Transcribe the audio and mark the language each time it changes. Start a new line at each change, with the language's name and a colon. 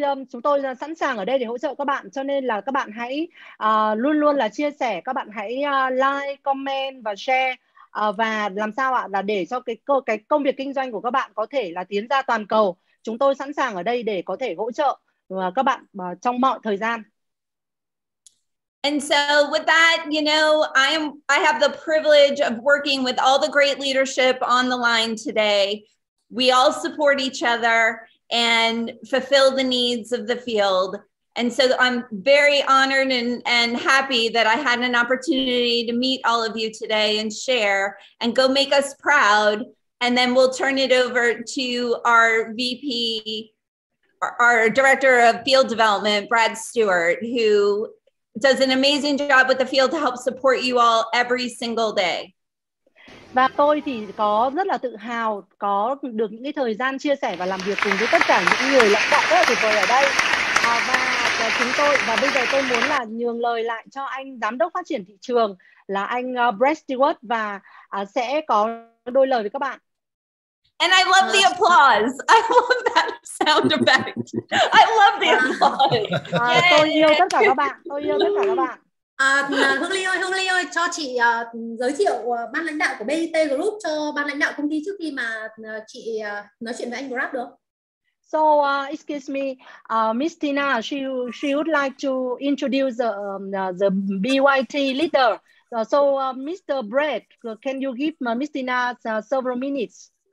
Vietnamese: Chúng tôi sẵn sàng ở đây để hỗ trợ các bạn, cho nên là các bạn hãy luôn luôn là chia sẻ, các bạn hãy like, comment và share. Và làm sao ạ? Là để cho cái công việc kinh doanh của các bạn có thể là tiến ra toàn cầu. Chúng tôi sẵn sàng ở đây để có thể hỗ trợ các bạn trong mọi thời gian.
English: And so with that, you know, I have the privilege of working with all the great leadership on the line today. We all support each other and fulfill the needs of the field. And so I'm very honored and happy that I had an opportunity to meet all of you today and share and go make us proud. And then we'll turn it over to our VP, our Director of Field Development, Brad Stewart, who does an amazing job with the field to help support you all every single day.
Vietnamese: Và tôi thì có rất là tự hào có được những cái thời gian chia sẻ và làm việc cùng với tất cả những người lãnh đạo rất là tuyệt vời ở đây. Và chúng tôi, và bây giờ tôi muốn là nhường lời lại cho anh giám đốc phát triển thị trường là anh Brad Stewart, và sẽ có đôi lời với các bạn.
English: And I love the applause. I love that sound effect. I love the applause.
Vietnamese: Tôi yêu tất cả các bạn. Hương Ly ơi, cho chị giới thiệu ban lãnh đạo của BIT Group cho ban lãnh đạo công ty trước khi mà chị nói chuyện với anh Brad được.
English: So excuse me, Miss Tina, she would like to introduce the BYT leader. Mr. Brad, can you give Miss Tina several minutes?